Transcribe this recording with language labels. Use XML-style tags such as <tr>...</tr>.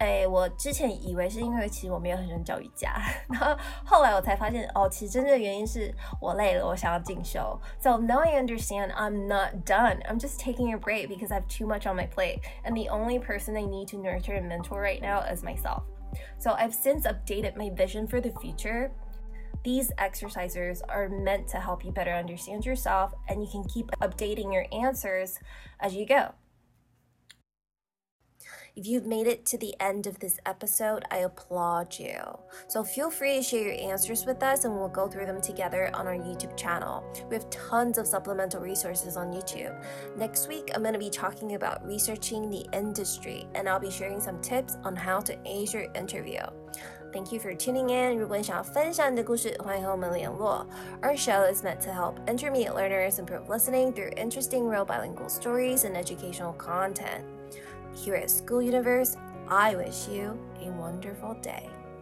<zh>我之前以为是因为其实我没有很喜欢教瑜伽，然后后来我才发现，哦，其实真正的原因是我累了，我想要进修。</zh> <en>So now I understand I'm not done. I'm just taking a break because I have too much on my plate. And the only person I need to nurture and mentor right now is myself. So I've since updated my vision for the future. These exercises are meant to help you better understand yourself, and you can keep updating your answers as you go. If you've made it to the end of this episode, I applaud you. So feel free to share your answers with us and we'll go through them together on our YouTube channel. We have tons of supplemental resources on YouTube. Next week, I'm going to be talking about researching the industry and I'll be sharing some tips on how to ace your interview. Thank you for tuning in.</en> <zh>如果你想要分享你的故事，欢迎和我们联络。</zh> <en>Our show is meant to help intermediate learners improve listening through interesting real bilingual stories and educational content. Here at School Universe, I wish you a wonderful day.</en>